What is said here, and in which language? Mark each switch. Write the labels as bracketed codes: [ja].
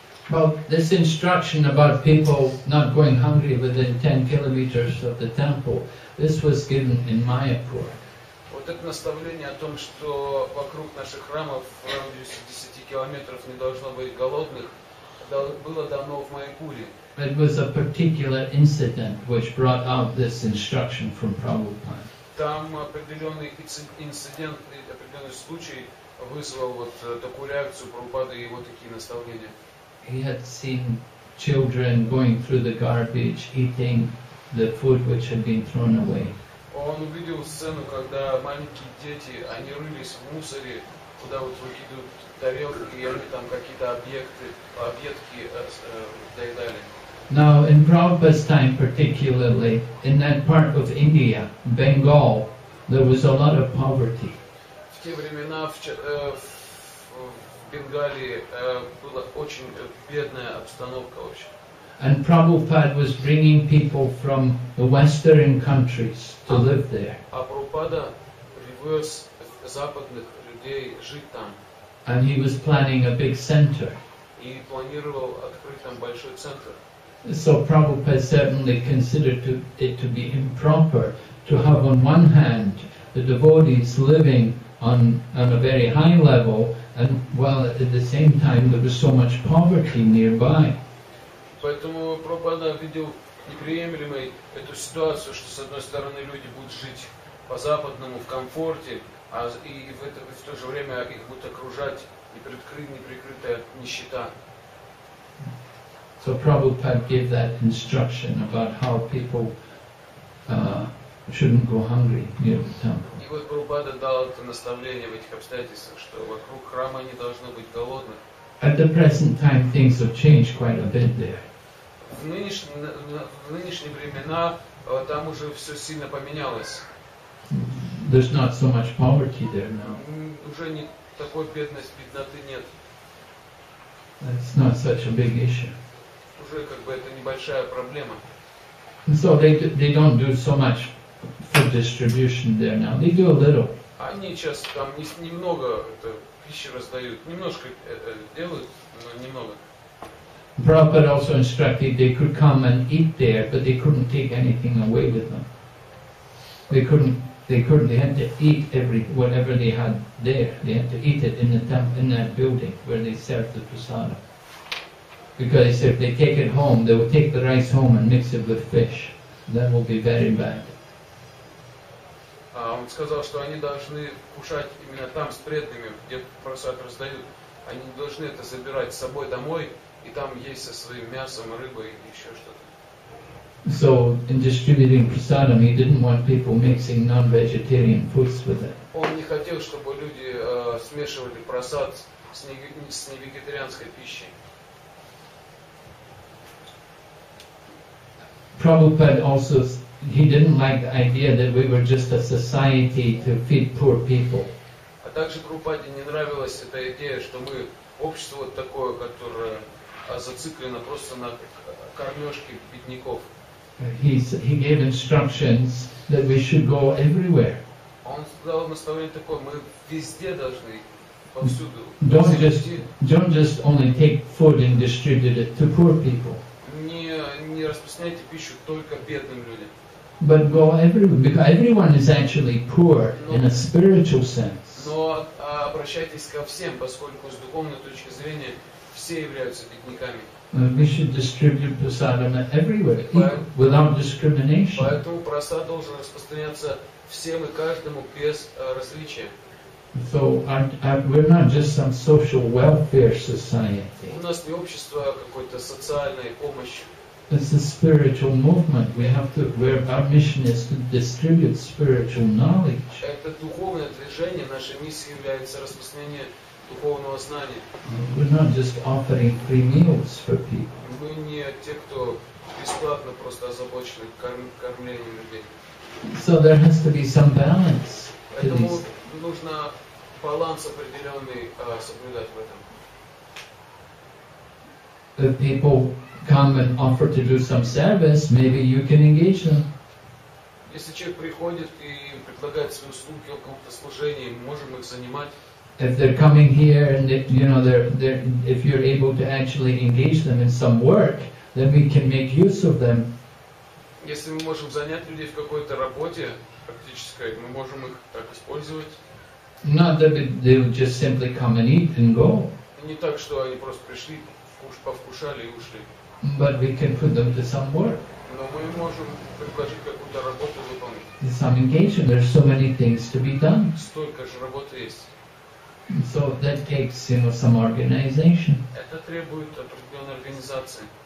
[en] Well, this instruction about people not going hungry within 10 kilometers of the temple, this was given in Mayapur. [ru] Это наставление о том, что вокруг наших храмов в радиусе 10 километров не должно быть голодных, было давно в Майпуре. [en] It was a particular incident which brought out this instruction from Prabhupada. [ru] Там определенный инцидент, определенный случай вызвал вот такую реакцию Прабхупады и его такие наставления. [en] He had seen children going through the garbage, eating the food which had been thrown away. [ru] Он увидел сцену, когда маленькие дети, они рылись в мусоре, куда вот выкидывают тарелки, и они там какие-то объекты, объедки доедали. [en] Now, in Prabhupada's time particularly, in that part of India, Bengal, there was a lot of poverty. [ru] В те времена в Бенгалии была очень бедная обстановка вообще. [en] And Prabhupada was bringing people from the Western countries to live there. [ru] А Прабхупада привез западных людей жить там. [en] And he was planning a big center. [ru] И планировал открыть там большой центр. [en] So Prabhupada certainly considered it to be improper to have on one hand the devotees living on a very high level, and while at the same time there was so much poverty nearby. [ru] Поэтому Прабхупада видел неприемлемой эту ситуацию, что с одной стороны люди будут жить по-западному в комфорте, а в то же время их будут окружать неприкрытая нищета. [en] So Prabhupada gave that instruction about how people shouldn't go hungry near the temple. [ru] И вот Прабхупада дал это наставление в этих обстоятельствах, что вокруг храма не должно быть голодных. [en] At the present time, things have changed quite a bit there. [ru] В нынешние времена там уже все сильно поменялось. [en] There's not so much poverty there now. [ru] Уже не такой бедности, бедноты нет. [en] That's not such a big issue. [ru] Уже как бы это небольшая проблема. [en] So they don't do so much food distribution there now. They do a little. [ru] Они сейчас там немного это пищи раздают, немножко это делают, но немного. [en] Prabhupada also instructed they could come and eat there, but they couldn't take anything away with them. They had to eat whatever they had there. They had to eat it in the temple, in that building where they served the prasada. Because if they take it home, they will take the rice home and mix it with fish. That will be very bad. [ru] Он сказал, что они должны кушать именно там с преданными, где просад раздают. Они должны это забирать с собой домой. И там есть со своим мясом, рыбой и еще что-то. [en] So in distributing prasadam, he didn't want people mixing non-vegetarian foods with it. [ru] Он не хотел, чтобы люди смешивали просад с невегетарианской пищей. [en] Prabhupada also he didn't like the idea that we were just a society to feed poor people. [ru] А также Прабхупаде не нравилась эта идея, что мы общество вот такое, которое зациклено просто на кормежке бедняков. [en] He gave instructions that we should go everywhere. [ru] Он дал наставление такое, мы везде должны, повсюду. [en] Don't just only take food and distribute it to poor people. [ru] Не распространяйте пищу только бедным людям. [en] But go everywhere, because everyone is actually poor in a spiritual sense. [ru] Но обращайтесь ко всем, поскольку с духовной точки зрения все являются бедняками. [en] We should distribute prasadam everywhere, without discrimination. [ru] Поэтому прасад должен распространяться всем и каждому без различия. [en] So we're not just some social welfare society. [ru] У нас не общество какой-то социальной помощи. [en] It's a spiritual movement. Where our mission is to distribute spiritual knowledge. [ru] Это духовное движение. Наша миссия является распространение духовного знания. [en] We're not just offering free meals for people. [ru] Мы не те, кто бесплатно просто озабочены кормлением людей. [en] So there has to be some balance. [ru] Поэтому нужно баланс определенный соблюдать в этом. [en] The people come and offer to do some service, maybe you can engage them. [ru] Если человек приходит и предлагает свои услуги в каком-то служении, мы можем их занимать. [en] If they're coming here and they're if you're able to actually engage them in some work, then we can make use of them. [ru] Если мы можем занять людей в какой-то работе практической, мы можем их так использовать. [en] Not that they would just simply come and eat and go. [ru] Не так, что они просто пришли, повкушали и ушли. [en] But we can put them to some work. [ru] Но мы можем предложить какую-то работу выполнить. [en] In some engagement, there's so many things to be done. [ru] Столько же работы есть. [en] So that takes, some organization. [ru] Это требует определенной организации.